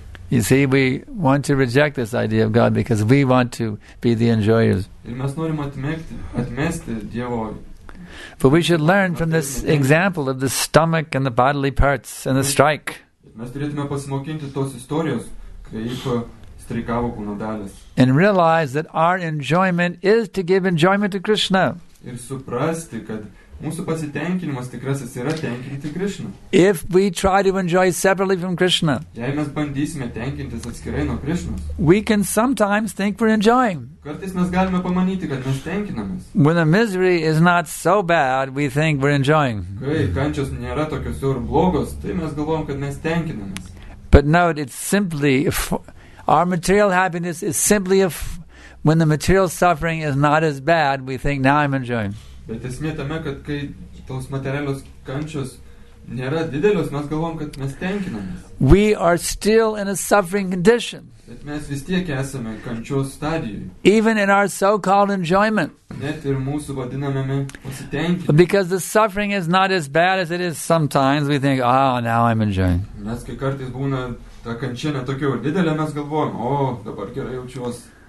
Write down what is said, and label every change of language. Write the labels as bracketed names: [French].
[English] You see, we want to reject this idea of God because we want to be the enjoyers. [Lithuanian] Ir mes norim atmesti dievo. [English] But we should learn from this example of the stomach and the bodily parts and the strike. [Lithuanian] Mes turėtume pasimokinti tos istorijos, kaip streikavo kūno dalis. [English] And realize that our enjoyment is to give enjoyment to Krishna. [Lithuanian] Ir suprasti, kad mūsų pasitenkinimas tikrasis yra tenkinti Krishna. [English] If we try to enjoy separately from Krishna, [Lithuanian] jei mes bandysime tenkintis atskirai nuo Krishnos, [English] we can sometimes think we're enjoying. [Lithuanian] Kartais mes galime pamanyti, kad mes tenkinamės. [English] When the misery is not so bad, we think we're enjoying. [Lithuanian] Kai kančios nėra tokios jau ir blogos, tai mes galvojam, kad mes tenkinamės. [English] But note, it's simply, our material happiness is simply if when the material suffering is not as bad, we think, now I'm enjoying. [Lithuanian] Bet esmė tame, kad kai tos materialios kančios nėra didelios, mes galvom, kad mes tenkinamės. [English] We are still in a suffering condition. [Lithuanian] Bet mes vis tiek esame kančios stadijoje. [English] Even in our so-called enjoyment. [Lithuanian] Net ir mūsų vadinamame pasitenkinime. [English] Because the suffering is not as bad as it is sometimes, we think, oh, now I'm enjoying. [Lithuanian] Nes kai kartais būna ta kančia netokia ir didelė, mes galvom, oh, dabar gerai jaučiuos.